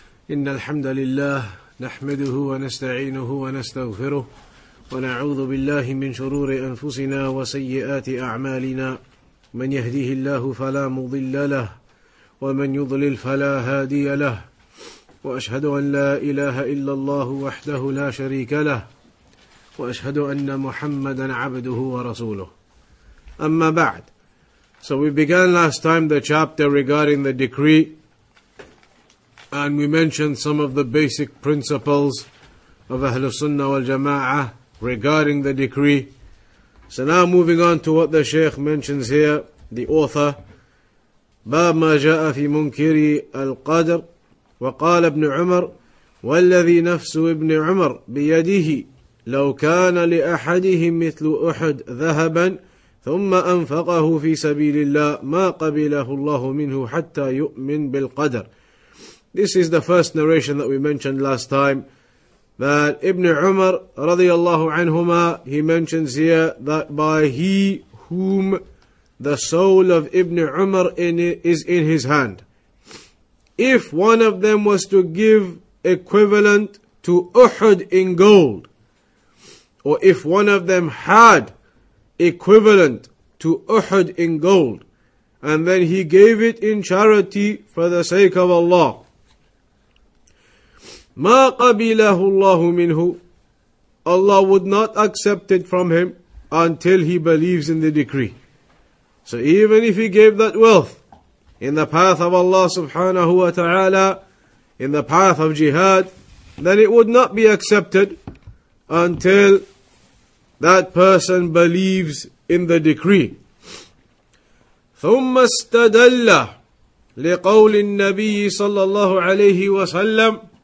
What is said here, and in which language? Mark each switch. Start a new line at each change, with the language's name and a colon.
Arabic: إن الحمد لله نحمده ونستعينه ونستغفره ونعوذ بالله من شرور أنفسنا وسيئات أعمالنا من يهديه الله فلا مضل له ومن يضلل فلا هادي له وأشهد أن لا إله إلا الله وحده لا شريك له وأشهد أن محمدا عبده ورسوله أما بعد.
English: So we began last time the chapter regarding the decree, and we mentioned some of the basic principles of Ahlu Sunnah wal Jama'ah regarding the decree. So now moving on to what the Shaykh mentions here, the author,
Arabic: باب ما جاء في منكر القدر وقال ابن عمر والذي نفس ابن عمر بيده لو كان لأحدهم مثل أحد ذهبا ثم أنفقه في سبيل الله ما قبله الله منه حتى يؤمن بالقدر.
English: This is the first narration that we mentioned last time, that Ibn Umar radiyallahu anhuma, he mentions here that by he whom the soul of Ibn Umar is in his hand, if one of them was to give equivalent to Uhud in gold, or if one of them had equivalent to Uhud in gold, and then he gave it in charity for the sake of Allah,
Arabic: ما قبله الله منه,
English: Allah would not accept it from him until he believes in the decree. So even if he gave that wealth in the path of Allah subhanahu wa ta'ala, in the path of jihad, then it would not be accepted until that person believes in the decree.
Arabic: ثم استدل لقول النبي صلى الله عليه وسلم.